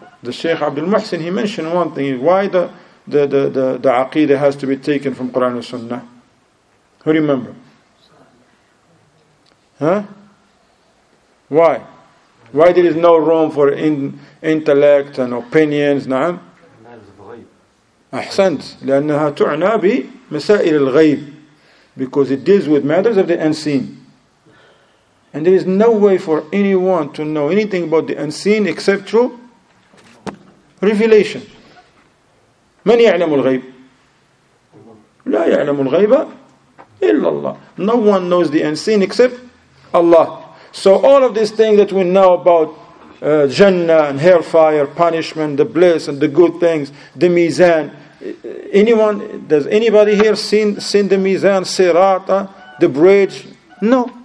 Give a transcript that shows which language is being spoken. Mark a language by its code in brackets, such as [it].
[en] The Shaykh Abdul Muhsin, he mentioned one thing, why the aqidah has to be taken from Quran and Sunnah? Who remember? Why? Why there is no room for intellect and opinions? [ar] نعم. أحسنت. لأنها تعنى بمسائل الغيب. [en] Because it deals with matters of the unseen. And there is no way for anyone to know anything about the unseen except through revelation. [ar] من يعلم الغيب؟ لا يعلم الغيب إلا الله. [en] No one knows the unseen except Allah. So all of these things that we know about Jannah and hellfire, punishment, the bliss and the good things, the mizan. Anyone, does anybody here seen the mizan, sirata, the bridge? No.